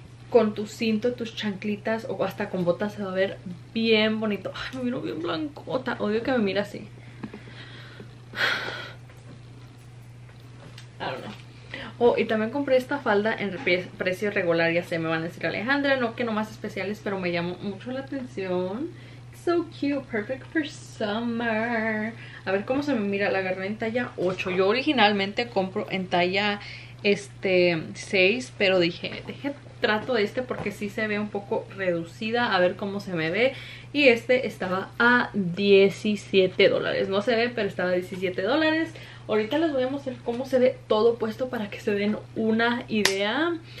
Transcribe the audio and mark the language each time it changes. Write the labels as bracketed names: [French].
[Spanish] Con tu cinto, tus chanclitas o hasta con botas se va a ver bien bonito. Ay, me miro bien blancota. Odio que me mire así. Oh, y también compré esta falda en precio regular. Ya sé, me van a decir Alejandra, no, que no más especiales, pero me llamó mucho la atención. [English] So cute, perfect for summer. [Spanish] A ver cómo se me mira, la agarré en talla 8. Yo originalmente compro en talla 6, pero dije, deje trato de este porque sí se ve un poco reducida. A ver cómo se me ve. Y este estaba a $17. No se ve, pero estaba a $17. Ahorita les voy a mostrar cómo se ve todo puesto para que se den una idea.